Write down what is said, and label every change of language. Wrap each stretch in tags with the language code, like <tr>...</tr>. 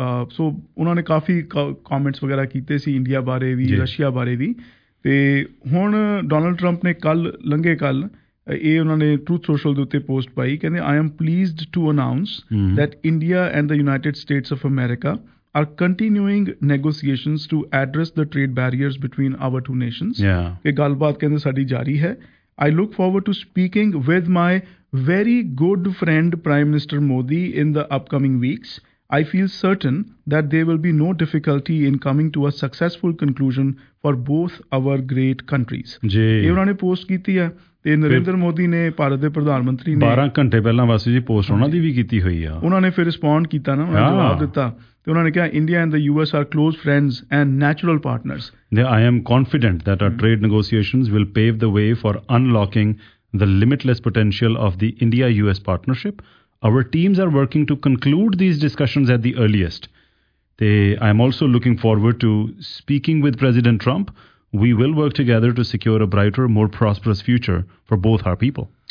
<pa>ਸੋ ਉਹਨਾਂ ਨੇ ਕਾਫੀ ਕਾਮੈਂਟਸ ਵਗੈਰਾ ਕੀਤੇ ਸੀ ਇੰਡੀਆ ਬਾਰੇ ਵੀ, ਰਸ਼ੀਆ ਬਾਰੇ ਵੀ, ਤੇ ਹੁਣ ਡੋਨਲਡ ਟਰੰਪ ਨੇ ਕੱਲ ਲੰਘੇ ਕੱਲ ਇਹ ਉਹਨਾਂ ਨੇ ਟਰੂਥ ਸੋਸ਼ਲ ਦੇ ਉੱਤੇ ਪੋਸਟ ਪਾਈ, ਕਹਿੰਦੇ</pa> <en>I am pleased to announce that India and the United States of America are continuing negotiations to address the trade barriers between our two nations,</en> <pa>ਕਿ ਗੱਲਬਾਤ ਕਹਿੰਦੇ ਸਾਡੀ ਜਾਰੀ ਹੈ।</pa> <en>I look forward to speaking with my very good friend Prime Minister Modi in the upcoming weeks. I feel certain that there will be no difficulty in coming to a successful conclusion for both our great countries.</en> <pa>ਜੀ ਇਹ ਉਹਨਾਂ ਨੇ post ਕੀਤੀ ਆ ਤੇ ਨਰਿੰਦਰ ਮੋਦੀ ਨੇ ਭਾਰਤ ਦੇ ਪ੍ਰਧਾਨ ਮੰਤਰੀ ਨੇ 12 ਘੰਟੇ ਪਹਿਲਾਂ ਵਾਸੀ ਜੀ ਪੋਸਟ ਉਹਨਾਂ ਦੀ ਵੀ ਕੀਤੀ ਹੋਈ ਆ ਉਹਨਾਂ ਨੇ ਫਿਰ ਰਿਸਪੌਂਡ ਕੀਤਾ ਨਾ ਉਹਨਾਂ ਨੇ ਜਵਾਬ ਦਿੱਤਾ ਤੇ ਉਹਨਾਂ ਨੇ ਕਿਹਾ</pa> <en>India and the U S are close friends and natural partners ਦੇ I am confident that our trade negotiations will pave the way for unlocking the limitless potential of the India U S partnership our teams are working to conclude these discussions at the earliest ਤੇ I am also looking forward to speaking with President Trump We will work together to secure a brighter, more prosperous future for both our people.</en>